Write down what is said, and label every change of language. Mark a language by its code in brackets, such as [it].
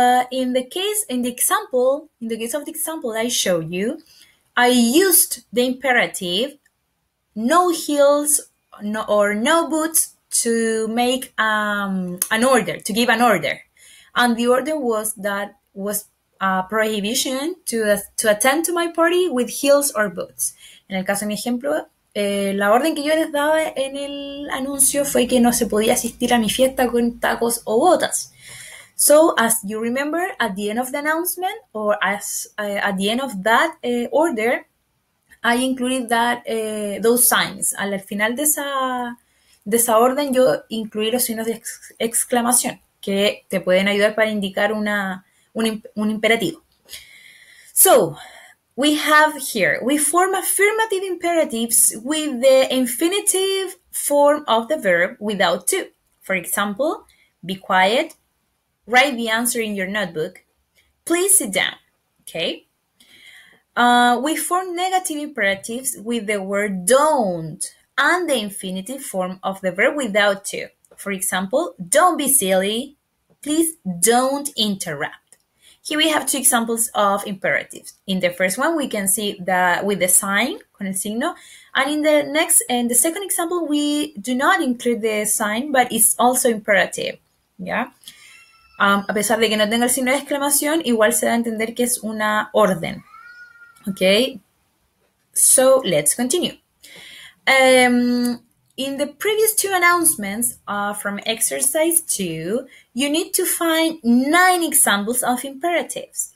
[en] In the case of the example I show you, I used the imperative no heels or no boots to make an order, to give an order. And the order was that was a prohibition to attend to my party with heels or boots. [es] En el caso de mi ejemplo, la orden que yo les daba en el anuncio fue que no se podía asistir a mi fiesta con tacos o botas. [en] So, as you remember, at the end of the announcement, or at the end of that order, I included that those signs. [es] Al final de esa orden, yo incluí los signos de exclamación, que te pueden ayudar para indicar un imperativo. [en] So, we have here, we form affirmative imperatives with the infinitive form of the verb without to. For example, be quiet, write the answer in your notebook, please sit down, okay? We form negative imperatives with the word don't and the infinitive form of the verb without to. For example, don't be silly, please don't interrupt. Here we have two examples of imperatives. In the first one, we can see that with the sign, [es] con el signo. [en] And in the next, and the second example, we do not include the sign, but it's also imperative, yeah? [es] A pesar de que no tenga el signo de exclamación, igual se da a entender que es una orden, okay? [en] So, let's continue. In the previous two announcements from exercise 2, you need to find 9 examples of imperatives.